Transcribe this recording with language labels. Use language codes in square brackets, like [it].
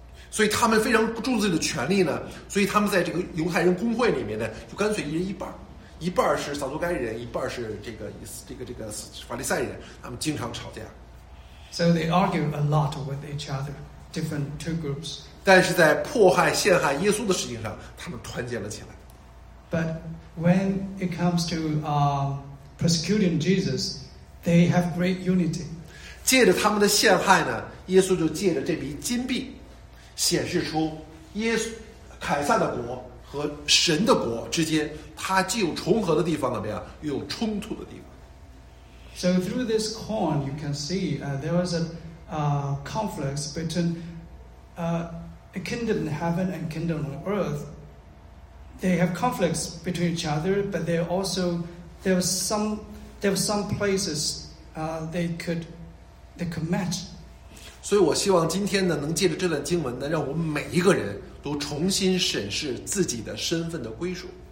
[zh] 所以他们非常注重自己的权利呢，所以他们在这个犹太人公会里面呢，就干脆一人一半。一半是撒都该人，一半是这个法利赛人，他们经常吵架。 [en] So they argue a lot with each other, different two groups. [zh] 但是在迫害陷害耶稣的事情上，他们团结了起来。 [en] But when it comes to persecuting Jesus, they have great unity. [zh] 借着他们的陷害呢，耶稣就借着这笔金币，显示出耶稣凯撒的国。和神的国之间，它既有重合的地方怎么样，又有冲突的地方。 [en] So through this coin, you can see there was a conflict between a kingdom in heaven and kingdom on earth. They have conflicts between each other, but they also there were some places they could match. [zh] 所以我希望今天呢，能借着这段经文呢，让我们每一个人。都重新审视自己的身份的归属。